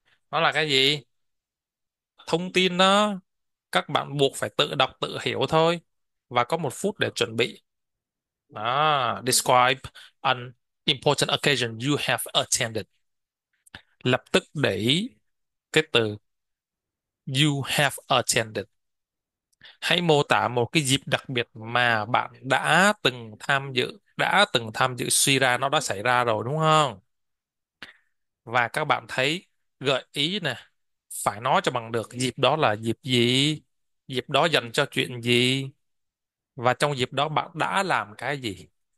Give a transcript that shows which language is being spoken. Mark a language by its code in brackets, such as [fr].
[vi] Đó là cái gì? Thông tin đó các bạn buộc phải tự đọc tự hiểu thôi, và có 1 phút để chuẩn bị. [en] Đó, describe an important occasion you have attended. [vi] Lập tức để ý cái từ [en] you have attended. [vi] Hãy mô tả một cái dịp đặc biệt mà bạn đã từng tham dự. Suy ra nó đã xảy ra rồi đúng không? Và các bạn thấy gợi ý nè, phải nói cho bằng được dịp đó là dịp gì, dịp đó dành cho chuyện gì, và trong dịp đó bạn đã làm cái gì.